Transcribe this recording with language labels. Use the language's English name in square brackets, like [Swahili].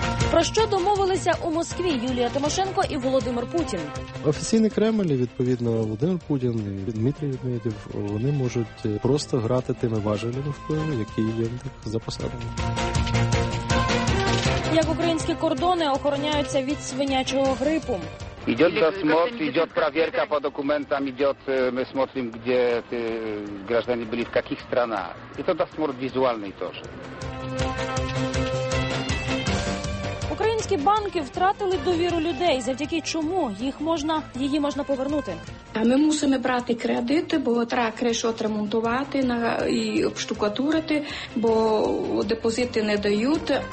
[Ukrainian] Про що домовилися у Москві Юлія Тимошенко і Володимир Путін? Офіційний Кремль, відповідно, Володимир Путін і Дмитрий Медведєв, вони можуть просто грати тими важелями впливу, які є за посадами. Як українські кордони охороняються від свинячого грипу? [Russian] Идет досмотр, идет проверка по документам, идет, мы смотрим, где ты, граждане были, в каких странах. Это досмотр визуальный тоже. [Ukrainian] Українські банки втратили довіру людей. Завдяки чому їх можна, її можна повернути? А ми мусимо брати кредити, бо треба кришу отремонтувати і обштукатурити, бо депозити не дають.